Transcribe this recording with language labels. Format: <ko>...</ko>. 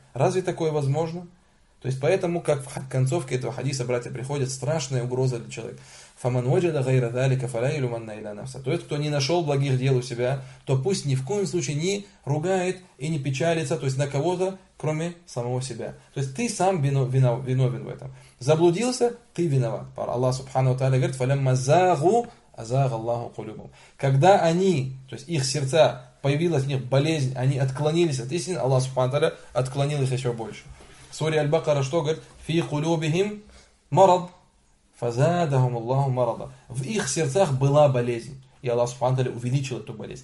<ru>Разве такое возможно? То есть поэтому, как в концовке этого хадиса, братья, приходит страшная угроза для человека.</ru> <ar>فَمَنْ وَجَدَ غَيْرَ ذَلِكَ فَلَا يُلُمَنَّ إِلَى نَفْسَ.</ar> <ru>То есть, кто не нашел благих дел у себя, то пусть ни в коем случае не ругает и не печалится, то есть на кого-то, кроме самого себя. То есть, ты сам виновен в этом. Заблудился, ты виноват.</ru> <ar>Аллах Субхану Тааля говорит, فَلَمَّ زَاغُوا أَزَاغَ اللَّهُ قُلُوبُهُمْ.</ar> <ru>Когда они, то есть их сердца, появилась в них болезнь, они отклонились от истины, Аллах Субхану Тааля отклонил их еще больше. В суре Аль-Бакара что говорит?</ru> <ar>فِي قُلُوبِهِمْ مَرَض. فزادهم الله مرضا.</ar> <ru>В их сердцах была болезнь, и Аллах Субхану тааля увеличил эту болезнь.</ru>